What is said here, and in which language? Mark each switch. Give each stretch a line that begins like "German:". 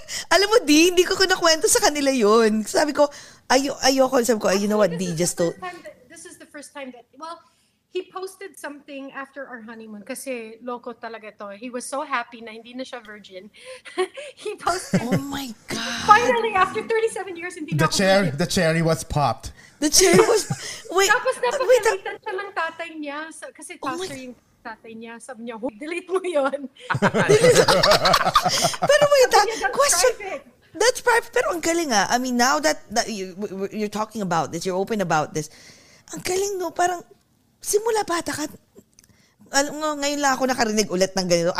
Filipino: Alam mo di hindi ko kinukuwento sa kanila 'yon. Sabi ko ayoko, sabi ko,
English: you know what,
Filipino: D, just to
English: this is the first time that, well, he posted something after our honeymoon
Filipino: kasi loko talaga to.
English: He was so happy
Filipino: na hindi na siya virgin.
English: He posted, oh my God. Finally, after 37 years, hindi na the cherry was popped. The cherry was, wait.
Filipino: Tapos napakalitan siya lang tatay niya so, kasi pastor yung tatay niya. Sabi niya, delete mo yun.
English: But wait, that question. That's private.
Filipino: Pero ang galing ah.
English: I mean, now that you're talking about this, you're open about this.
Filipino: Ang galing no, parang simula bata ka, ngayon lang ako nakarinig ulit ng ganito.